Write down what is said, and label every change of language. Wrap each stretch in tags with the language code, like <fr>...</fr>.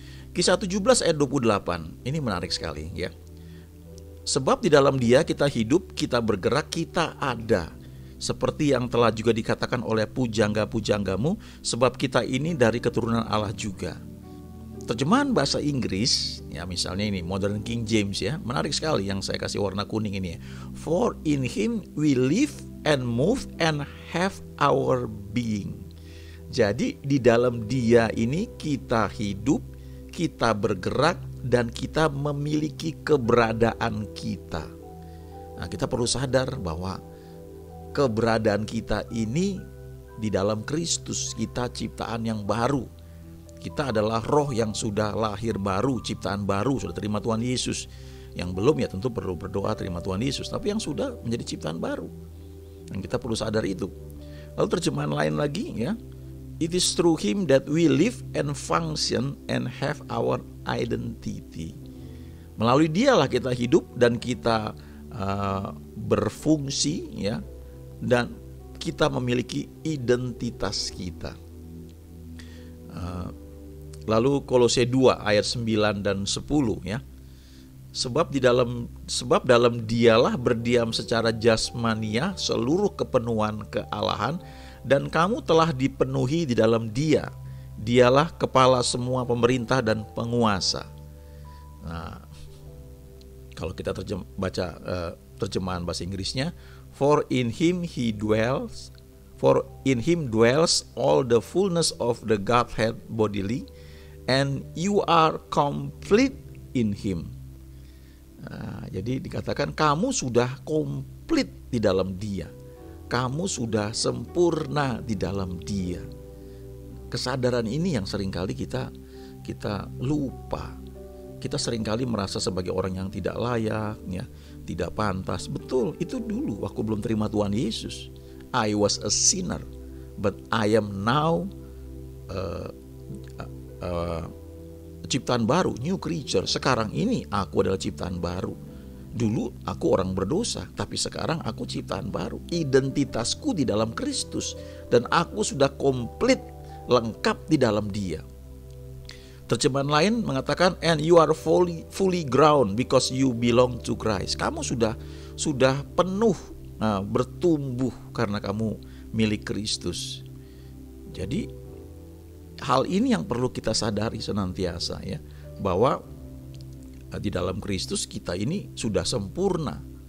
<id>Kisah 17 ayat 28 ini menarik sekali ya. Sebab di dalam Dia kita hidup, kita bergerak, kita ada. Seperti yang telah juga dikatakan oleh pujangga-pujanggamu, sebab kita ini dari keturunan Allah juga. Terjemahan bahasa Inggris ya, misalnya ini Modern King James ya, menarik sekali yang saya kasih warna kuning ini ya.</id> <en>For in him we live and move and have our being.</en> <id>Jadi di dalam Dia ini kita hidup, kita bergerak, dan kita memiliki keberadaan kita. Nah, kita perlu sadar bahwa keberadaan kita ini di dalam Kristus, kita ciptaan yang baru. Kita adalah roh yang sudah lahir baru, ciptaan baru, sudah terima Tuhan Yesus. Yang belum ya tentu perlu berdoa terima Tuhan Yesus, tapi yang sudah menjadi ciptaan baru. Dan kita perlu sadar itu. Lalu terjemahan lain lagi ya,</id> <en>it is through him that we live and function and have our identity.</en> <id>Melalui dialah kita hidup dan kita berfungsi ya, dan kita memiliki identitas kita. Lalu Kolose 2 ayat 9 dan 10 ya. Sebab dalam dialah berdiam secara jasmania seluruh kepenuhan kealahan. Dan kamu telah dipenuhi di dalam Dia. Dialah kepala semua pemerintah dan penguasa. Nah, kalau kita terjemahan bahasa Inggrisnya,</id> <en>For in him dwells all the fullness of the Godhead bodily, and you are complete in him.</en> <id>Nah, jadi dikatakan kamu sudah komplit di dalam Dia. Kamu sudah sempurna di dalam Dia. Kesadaran ini yang seringkali kita lupa. Kita seringkali merasa sebagai orang yang tidak layak ya, tidak pantas. Betul, itu dulu aku belum terima Tuhan Yesus.</id> <en>I was a sinner, but I am now</en> <id>ciptaan baru,</id> <en>new creature.</en> <id>Sekarang ini aku adalah ciptaan baru. Dulu aku orang berdosa, tapi sekarang aku ciptaan baru. Identitasku di dalam Kristus, dan aku sudah komplit, lengkap di dalam Dia. Terjemahan lain mengatakan,</id> <en>and you are fully grown because you belong to Christ.</en> <id>Kamu sudah penuh, bertumbuh karena kamu milik Kristus. Jadi hal ini yang perlu kita sadari senantiasa ya, bahwa di dalam Kristus kita ini sudah sempurna.</id>